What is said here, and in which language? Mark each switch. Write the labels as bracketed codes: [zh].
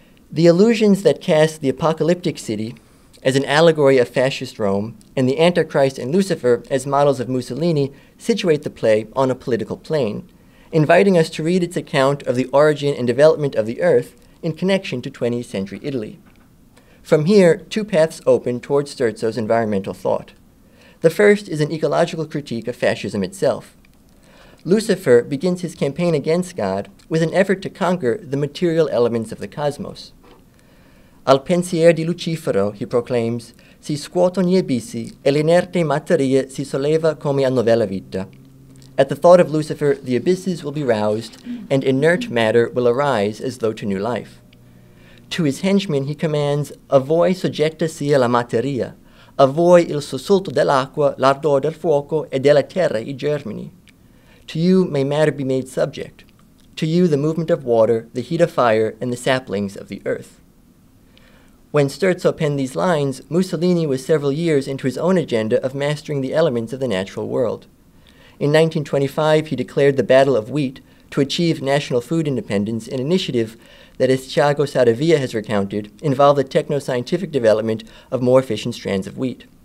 [en] The illusions that cast the apocalyptic city as an allegory of fascist Rome and the Antichrist and Lucifer as models of Mussolini situate the play on a political plane, inviting us to read its account of the origin and development of the earth in connection to 20th century Italy. From here, two paths open towards Sturzo's environmental thought. The first is an ecological critique of fascism itself. Lucifer begins his campaign against God with an effort to conquer the material elements of the cosmos. [it] "Al pensier di Lucifero," [en] he proclaims, [it] "si scuotono gli abissi e l'inerte materia si solleva come a novella vita." [en] At the thought of Lucifer, the abysses will be roused and inert matter will arise as though to new life. To his henchmen, he commands, [it] "A voi soggetta sia la materia, a voi il sussulto dell'acqua, l'ardor del fuoco e della terra I germini. [en] To you may matter be made subject. To you the movement of water, the heat of fire, and the saplings of the earth." When Sturzo penned these lines, Mussolini was several years into his own agenda of mastering the elements of the natural world. In 1925, he declared the Battle of Wheat to achieve national food independence, an initiative that, as Thiago Saravia has recounted, involved the techno-scientific development of more efficient strands of wheat.